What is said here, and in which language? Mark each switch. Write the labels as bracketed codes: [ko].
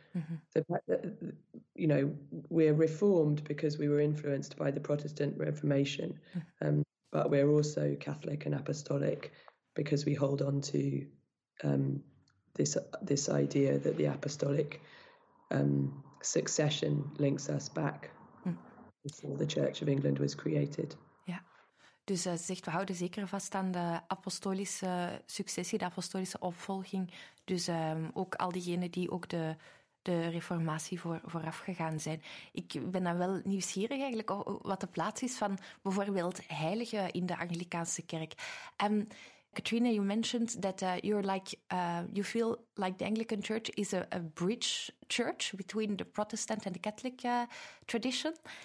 [en] Mm-hmm. We're reformed because we were influenced by the Protestant Reformation, but we're also Catholic and apostolic because we hold on to this idea that the apostolic succession links us back before the Church of England was created. [nl] Dus ze zegt, we houden zeker vast aan de apostolische successie, de apostolische opvolging. Dus ook al diegenen die ook de reformatie vooraf gegaan zijn. Ik ben dan wel nieuwsgierig eigenlijk wat de plaats is van bijvoorbeeld heiligen in de Anglicaanse kerk. [en] Katrina, you mentioned that you feel like the Anglican Church is a bridge church between the Protestant and the Catholic tradition.